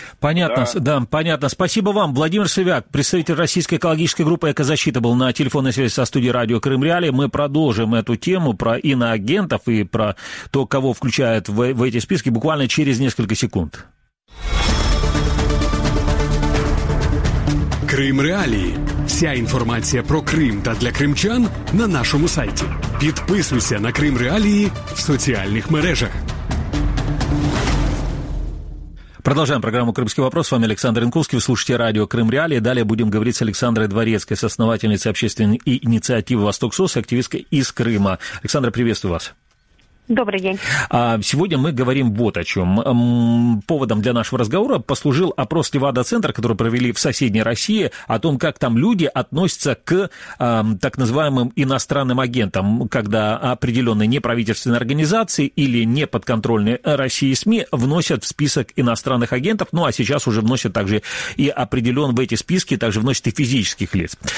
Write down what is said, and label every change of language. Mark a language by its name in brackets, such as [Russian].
[Russian] Понятно, да? Да, понятно. Спасибо вам. Владимир Сывяк, представитель российской экологической группы «Экозащита», был на телефонной связи со студией радио «Крым Реалии». Мы продолжим эту тему про иноагентов и про то, кого включают в эти списки, буквально через несколько секунд. «Крым Реалии». [Ukrainian] Вся информация про Крым та для крымчан на нашому сайті. Підписуйся на «Крым Реалії» в соціальних мережах. [Russian] Продолжаем программу «Крымский вопрос». С вами Александр Янковский. Вы слушаете радио «Крым Реалии». Далее будем говорить с Александрой Дворецкой, соосновательницей общественной инициативы «Восток СОС» и активисткой из Крыма. Александра, приветствую вас. Добрый день. Сегодня мы говорим вот о чем. Поводом для нашего разговора послужил опрос Левада-центра, который провели в соседней России, о том, как там люди относятся к так называемым иностранным агентам, когда определенные неправительственные организации или неподконтрольные России СМИ вносят в список иностранных агентов, ну а сейчас уже вносят также и определенные в эти списки, также вносят и физических лиц.